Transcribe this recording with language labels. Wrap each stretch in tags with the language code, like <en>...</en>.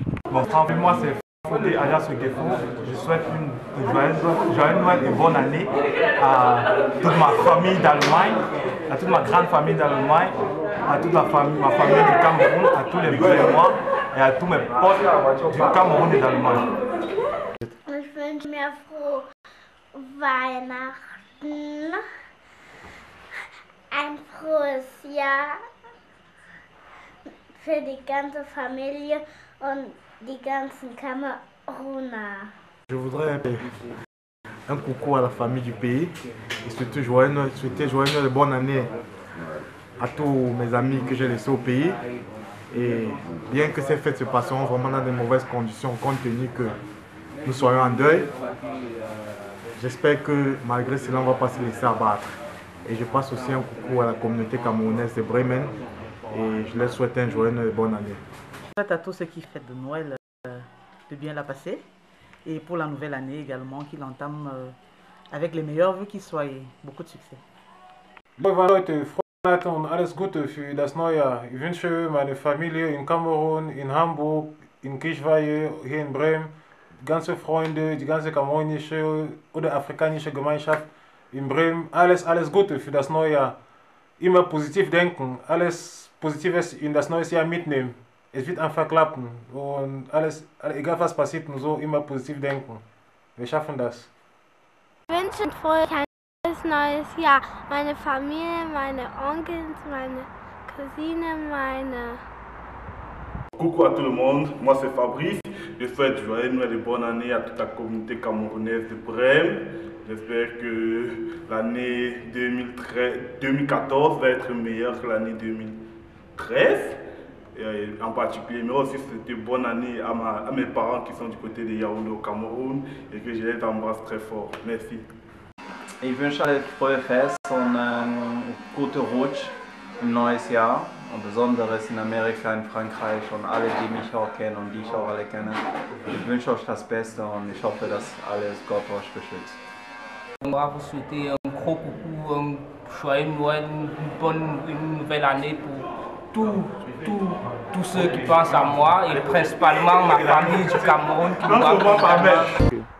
<fr>Bon, moi c'est Fodé alias Guéfou. Je souhaite une joyeuse Noël et bonne année à toute ma famille d'Allemagne, à toute ma grande famille d'Allemagne, à toute la famille, ma famille du Cameroun, à tous les Brémois et à tous mes potes du Cameroun et d'Allemagne.</fr> <de>Ich wünsche mir frohe Weihnachten, ein frohes Jahr für die ganze Familie und die ganzen Kameruner.</de> <fr>Je voudrais un coucou à la famille du pays et surtout souhaiter joyeux Noël et bonne année à tous mes amis que j'ai laissés au pays. Et bien que ces fêtes se passeront vraiment dans de mauvaises conditions, compte tenu que nous soyons en deuil, j'espère que malgré cela, on ne va pas se laisser abattre. Et je passe aussi un coucou à la communauté camerounaise de Bremen et je leur souhaite un joyeux Noël et bonne année. Je souhaite à tous ceux qui fêtent de Noël de bien la passer et pour la nouvelle année également, qu'ils l'entament avec les meilleurs vœux qu'ils soient et beaucoup de succès.</fr> <de>Und alles Gute für das neue Jahr. Ich wünsche meine Familie in Kamerun, in Hamburg, in Kirchweih, hier in Bremen, ganze Freunde, die ganze kamerunische oder afrikanische Gemeinschaft in Bremen, alles Gute für das neue Jahr. Immer positiv denken, alles Positives in das neue Jahr mitnehmen. Es wird einfach klappen. Und alles, egal was passiert, nur so immer positiv denken. Wir schaffen das. Ich wünsche euch neues Jahr. Meine Familie, meine Onkels, meine Cousine, meine...</de> <fr>Coucou à tout le monde, moi c'est Fabrice. Je souhaite joyeux Noël et bonne année à toute la communauté camerounaise de Brême. J'espère que l'année 2014 va être meilleure que l'année 2013. Et en particulier, mais aussi c'est une bonne année à mes parents qui sont du côté de Yaoundé au Cameroun et que je les embrasse très fort. Merci.</fr> <de>Ich wünsche euch frohe Fest und einen guten Rutsch im neues Jahr. Und besonders in Amerika, in Frankreich und alle, die mich auch kennen und die ich auch alle kenne. Ich wünsche euch das Beste und ich hoffe, dass alles Gott euch beschützt.</de> <fr>On va vous souhaiter un gros coucou, un joyeux Noël, une nouvelle année pour tous ceux qui pensent à moi et principalement ma famille du Cameroun qui me voit.</fr>